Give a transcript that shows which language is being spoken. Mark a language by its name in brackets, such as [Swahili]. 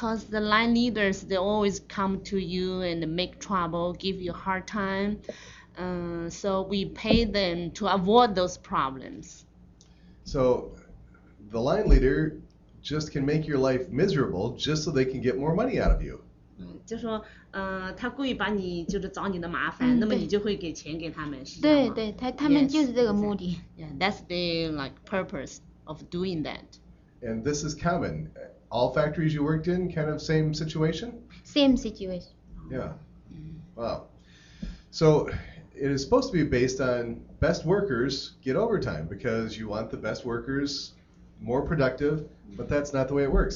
[English] the line leaders, they always come to you and make trouble, give you hard time. So we pay them to avoid those problems. So the line leader just can make your life miserable just so they can get more money out of you. [Chinese] 就说他故意把你就是找你的麻烦，那么你就会给钱给他们，是吗？对对，他们就是这个目的。 [English] Yeah, that's the like purpose of doing that. And this is common. All factories you worked in, kind of same situation? Same situation. Yeah. Wow. So it is supposed to be based on best workers get overtime because you want the best workers more productive, but that's not the way it works.